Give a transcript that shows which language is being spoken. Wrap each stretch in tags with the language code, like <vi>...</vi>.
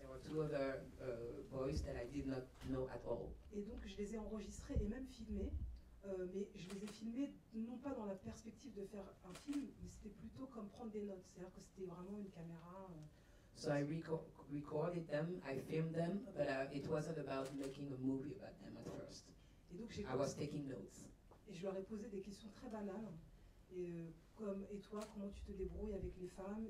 <en>Two other boys that I did not know at all.</en> <fr>Et donc je les ai enregistrés et même filmés, mais je les ai filmés non pas dans la perspective de faire un film, mais c'était plutôt comme prendre des notes, c'est-à-dire que c'était vraiment une caméra.</fr> <en>So I recorded them, I filmed them, but it wasn't about making a movie about them at first.</en> <fr>Et donc</fr> <en>I was taking notes.</en> <fr>Et je leur ai posé des questions très banales, et comme et toi, comment tu te débrouilles avec les femmes?</fr>